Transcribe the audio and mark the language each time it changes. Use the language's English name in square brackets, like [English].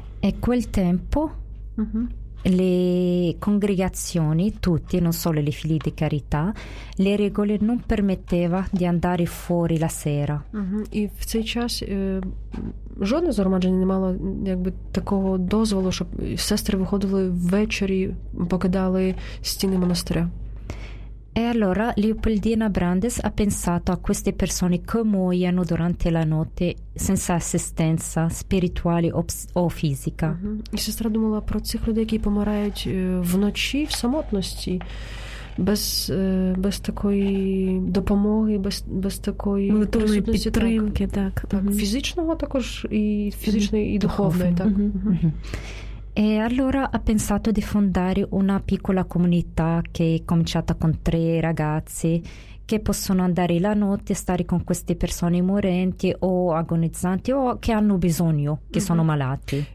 [Italian] E quel tempo le congregazioni, tutti, non solo le figli di carità, le regole non permetteva di andare fuori la sera. [Ukrainian] І в цей час жодне згромадження не мало якби такого дозволу, щоб сестри виходили ввечері, покидали стіни монастиря. [Italian] E allora Leopoldina Brandes ha pensato a queste persone che muoiono durante la notte senza assistenza spirituale o fisica. [Ukrainian] І сестра думала про цих людей, які помирають вночі в самотності, без такої допомоги, без такої підтримки, так. Фізичного також, і фізичної, і духовної, так. [Italian] E allora ha pensato di fondare una piccola comunità che è cominciata con 3 ragazzi che possono andare la notte e stare con queste persone morenti o agonizzanti o che hanno bisogno, che sono malati.